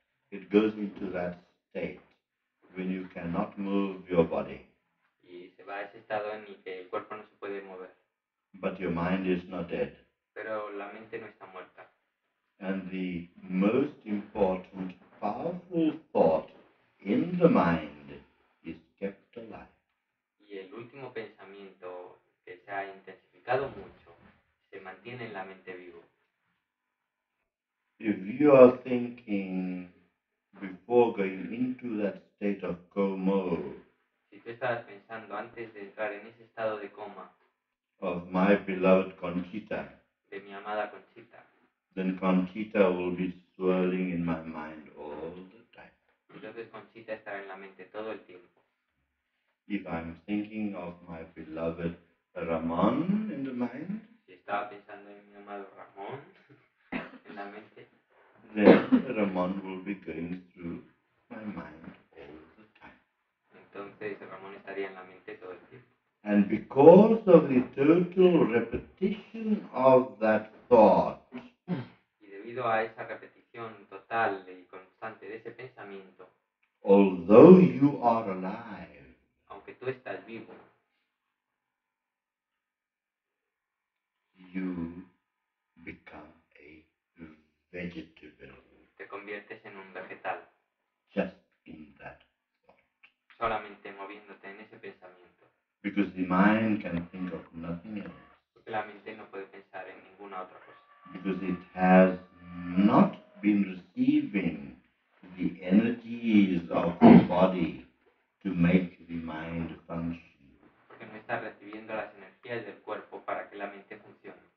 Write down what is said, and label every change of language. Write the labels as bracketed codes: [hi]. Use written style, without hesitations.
[en] It goes into that state when you cannot move your body. [es] Y se va a ese estado en el que el cuerpo no se puede mover. [en] But your mind is not dead. [es] Pero la mente no está muerta. [en] And the most important, powerful thought in the mind is kept alive. [es] Y el último pensamiento que se ha intensificado mucho se mantiene en la mente vivo. [en] If you are thinking before going into that state of coma, [es] si tú estabas pensando antes de entrar en ese estado de coma, [en] of my beloved Conchita, [es] de mi amada Conchita, [en] then Conchita will be swirling in my mind all the time. [es] Entonces Conchita estará en la mente todo el tiempo. [en] If I'm thinking of my beloved Ramón in the mind, [es] si estaba pensando en mi amado Ramón, en la mente. [en] Then Ramón will be going through my mind all the time. [es] Entonces Ramón estaría en la mente todo el tiempo. [en] And because of the total repetition of that thought, [es] y debido a esa repetición total y constante de ese pensamiento, [en] Although you are alive, [es] aunque tú estás vivo, [en] you become a vegetable. [es] Te conviertes en un vegetal. [en] Just in that thought. [es] Solamente moviéndote en ese pensamiento. [en] Because the mind can think of nothing else. [es] Porque la mente no puede pensar en ninguna otra cosa. [en] Because it has not been receiving the energies of the body to make the mind function. [es] Porque no está recibiendo las energías del cuerpo para que la mente funcione.